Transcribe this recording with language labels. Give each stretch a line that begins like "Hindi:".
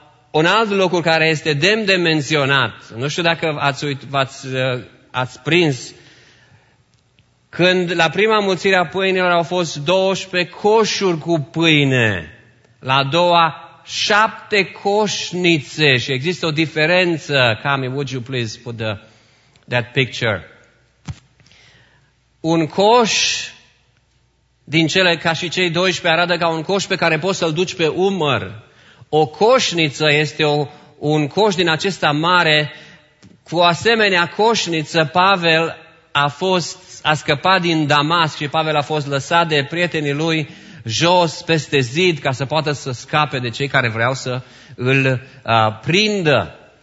Romanian: Un alt lucru care este demn de menționat, nu știu dacă ați prins, când la prima mulțire a pâinilor au fost 12 coșuri cu pâine, la a doua 7 coșnițe și există o diferență.
English: Cami, would you please put that picture?
Romanian: Un coș din cele ca și cei 12 arată ca un coș pe care poți să-l duci pe umăr. O coșniță este un coș din acesta mare. Cu asemenea coșniță, Pavel a scăpat din Damasc și Pavel a fost lăsat de prietenii lui jos peste zid ca să poată să scape de cei care vreau să îl prindă.